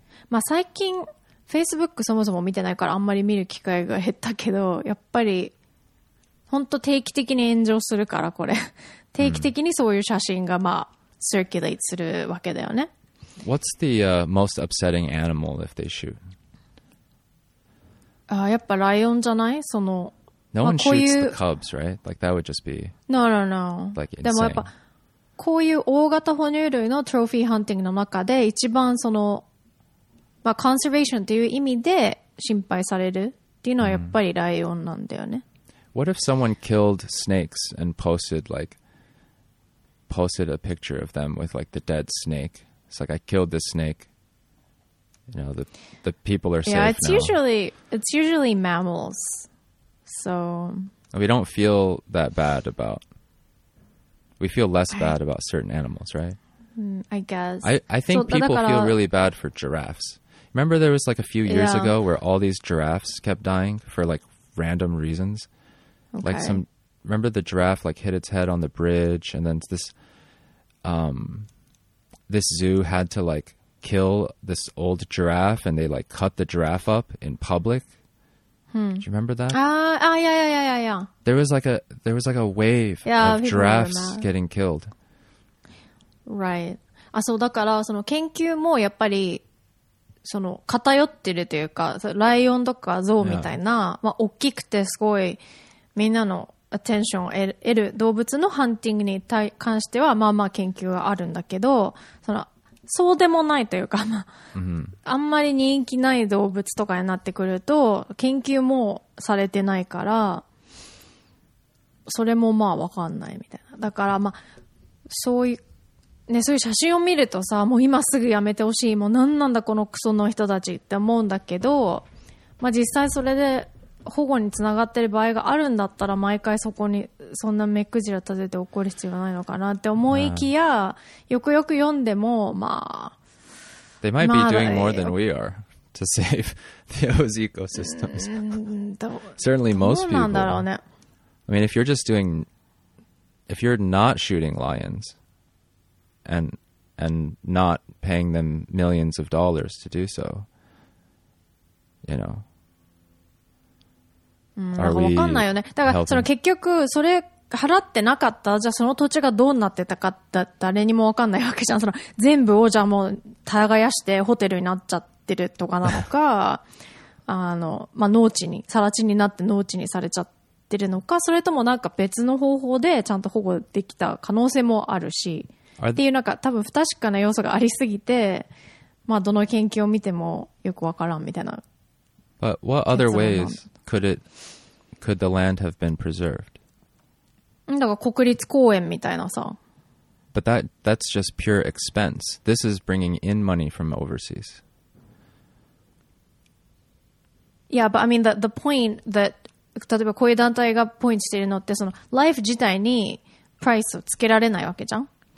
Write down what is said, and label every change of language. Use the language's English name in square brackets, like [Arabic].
[Japanese] まあ、最近 Facebook そもそも見てないからあんまり見る機会が減ったけど、やっぱり本当定期的に炎上するからこれ定期的にそういう写真がまあ circulate するわけだよね。 [English] What's the most upsetting animal if they shoot? [Japanese] やっぱライオンじゃない？その [English] No one shoots the cubs, right? Like that would just be No, no, no. Like insane. [Japanese] でもやっぱこういう大型哺乳類のトロフィーハンティングの中で一番そのまあ conservation という意味で心配されるっていうのはやっぱりライオンなんだよね。 [English] What if someone killed snakes and posted a picture of them with like the dead snake? It's like I killed this snake. You know, the people are safe now. Yeah, it's usually mammals. So we don't feel that bad about. We feel less bad about certain animals, right? I guess. I think people feel really bad for giraffes. Remember, there was like a few years ago where all these giraffes kept dying for like random reasons. Okay. Like some, remember the giraffe like hit its head on the bridge, and then this zoo had to like kill this old giraffe and they like cut the giraffe up in public. Do you remember that? Yeah. There was like a wave of giraffes getting killed. Right. [Japanese] あ、そう、だからその研究もやっぱりその偏ってるというか、ライオンとかゾウみたいな、 [English] yeah. [Japanese] まあ大きくてすごいみんなのアテンションを得る動物のハンティングに対関してはまあまあ研究はあるんだけど、そのそうでもないというか、まあ、 mm-hmm. あんまり人気ない動物とかになってくると研究もされてないから、それもまあわかんないみたいな。だからまあそういうね、そういう写真を見るとさ、もう今すぐやめてほしい、もう何なんだこのクソの人たちって思うんだけど、まあ実際それで保護につながってる場合があるんだったら、毎回そこにそんな目くじら立てて怒る必要はないのかなって思いきや、よくよく読んでも、まあ。 [English] They might be doing more than we are to save those ecosystems. Certainly most people. [Japanese] どうなんだろうね。 [English] I mean, if you're not shooting lions,And not paying them millions of dollars to do so, you know. Are we? [Japanese] 分かんないよね。だからその結局それ払ってなかった。じゃあその土地がどうなってたかって誰にも分かんないわけじゃん。その全部をじゃあもう耕してホテルになっちゃってるとかなのか、あのまあ農地に更地になって農地にされちゃってるのか、それともなんか別の方法でちゃんと保護できた可能性もあるし。っていうなんか多分不確かな要素がありすぎて、まあどの研究を見てもよくわからんみたいな。 [English] But what other ways could the land have been preserved? [Japanese] だから国立公園みたいなさ。 [English] But that's just pure expense. This is bringing in money from overseas. Yeah, but I mean the point that [Japanese] 例えばこういう団体がポイントしているのって、そのライフ自体にプライスをつけられないわけじゃん。